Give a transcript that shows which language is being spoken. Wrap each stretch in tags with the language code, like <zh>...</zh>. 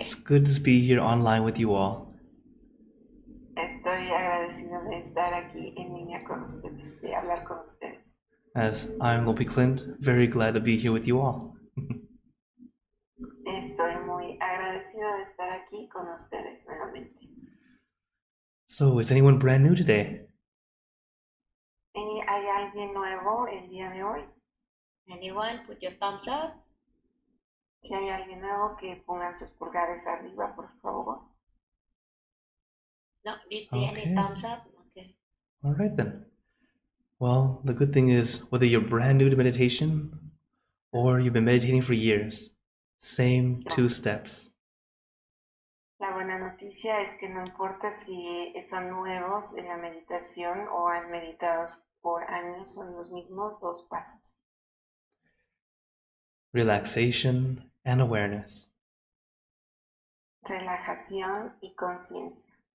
<en>It's good to be here online with you all.</en> <es>Estoy agradecido de estar aquí en línea con ustedes, de hablar con ustedes.</es> <en>As I'm LP Klint, very glad to be here with you all.</en> <es>Estoy muy agradecido de estar aquí con ustedes nuevamente.</es> <en>So, is anyone brand new today?</en> <es>¿Hay alguien nuevo el día de hoy?</es> <en>Anyone, put your thumbs up.</en> <es>Si hay alguien nuevo, que pongan sus pulgares arriba, por favor.</es> <en>No, okay. Any thumbs up? Okay. All right then. Well, the good thing is, whether you're brand new to meditation or you've been meditating for years, same two steps.</en> <es>La buena noticia es que no importa si son nuevos en la meditación o han meditado por años, son los mismos dos pasos.</es> <en>Relaxation and awareness.</en> <es>Relajación y conciencia.</es>